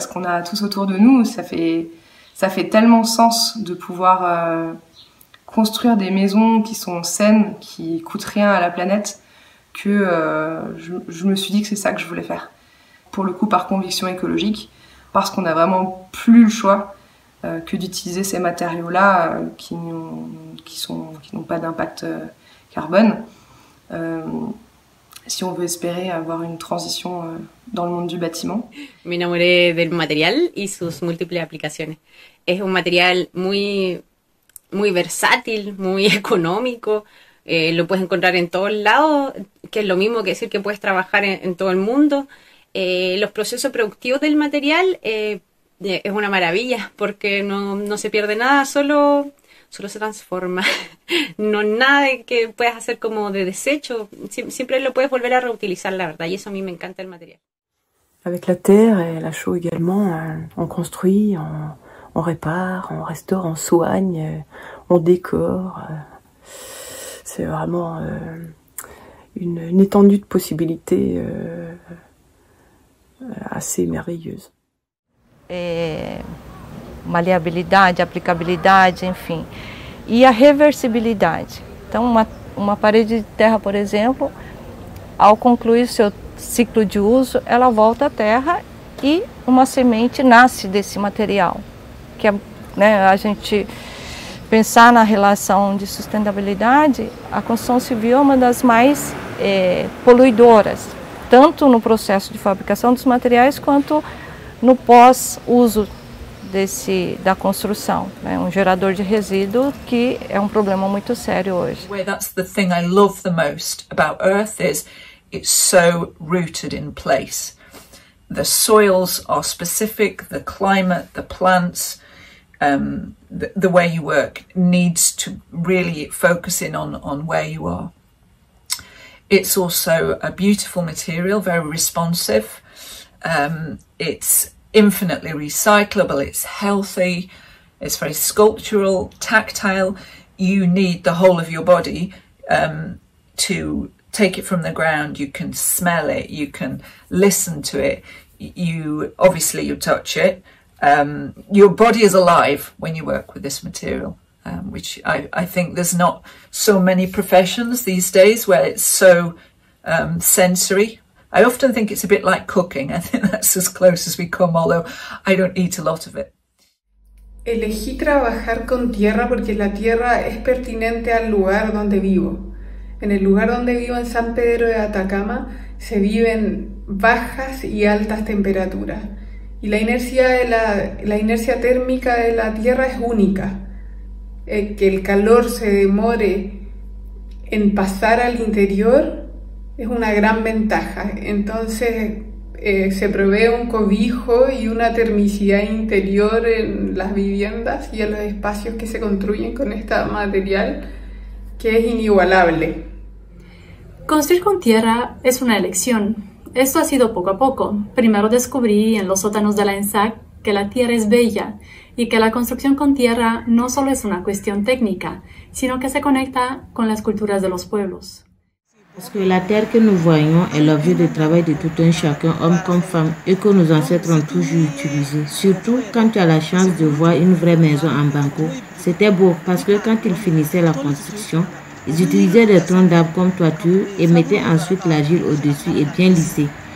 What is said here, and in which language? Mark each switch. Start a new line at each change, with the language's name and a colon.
French: Ce qu'on a tous autour de nous, ça fait tellement sens de pouvoir construire des maisons qui sont saines, qui coûtent rien à la planète, que je me suis dit que c'est ça que je voulais faire. Pour le coup, par conviction écologique, parce qu'on n'a vraiment plus le choix. que d'utiliser ces matériaux-là qui n'ont pas d'impact carbone. Si on veut espérer avoir une transition dans le monde du bâtiment.
Spanish: Me enamoré del material y sus múltiples aplicaciones. Es un material muy, muy versátil, muy económico. Lo puedes encontrar en todos lados, que es lo mismo que decir que puedes trabajar en todo el mundo. Los procesos productivos del material es una maravilla, porque no se pierde nada, solo se transforma. No nada de que puedas hacer como de desecho, siempre lo puedes volver a reutilizar, la verdad, y eso a mí me encanta el material.
French: Avec la terre et la chaux également, on construit, on répare, on restaure, on soigne, on décore. C'est vraiment une étendue de possibilités assez merveilleuse.
Portuguese: Maleabilidade, aplicabilidade, enfim. E a reversibilidade. Então, uma parede de terra, por exemplo, ao concluir o seu ciclo de uso, ela volta à terra e uma semente nasce desse material. Que é, né, a gente pensar na relação de sustentabilidade, a construção civil é uma das mais poluidoras, tanto no processo de fabricação dos materiais quanto no pós-uso da construção, né? Um gerador de resíduo que é um problema muito sério hoje.
English: Where that's the thing I love the most about Earth is it's so rooted in place. The soils are specific, the climate, the plants, the way you work needs to really focus in on where you are. It's also a beautiful material, very responsive. It's infinitely recyclable, it's healthy, it's very sculptural, tactile. You need the whole of your body to take it from the ground. You can smell it, you can listen to it, you touch it. Your body is alive when you work with this material, which I think there's not so many professions these days where it's so sensory. I often think it's a bit like cooking. I think that's as close as we come, although I don't eat a lot of it.
Spanish: Elegí trabajar con tierra porque la tierra es pertinente al lugar donde vivo. En el lugar donde vivo, en San Pedro de Atacama, se viven bajas y altas temperaturas. Y la inercia la inercia térmica de la tierra es única. Que el calor se demore en pasar al interior es una gran ventaja. Entonces se provee un cobijo y una termicidad interior en las viviendas y en los espacios que se construyen con este material, que es inigualable. Construir con tierra es una elección. Esto ha sido poco a poco. Primero descubrí en los sótanos de la ENSAC que la tierra es bella y que la construcción con tierra no solo es una cuestión técnica, sino que se conecta con las culturas de los pueblos.
French: Parce que la terre que nous voyons est l'objet de travail de tout un chacun, homme comme femme, et que nos ancêtres ont toujours utilisé. Surtout quand tu as la chance de voir une vraie maison en banco, c'était beau parce que quand ils finissaient la construction, ils utilisaient des troncs d'arbres comme toiture et mettaient ensuite l'argile au-dessus et bien lissée.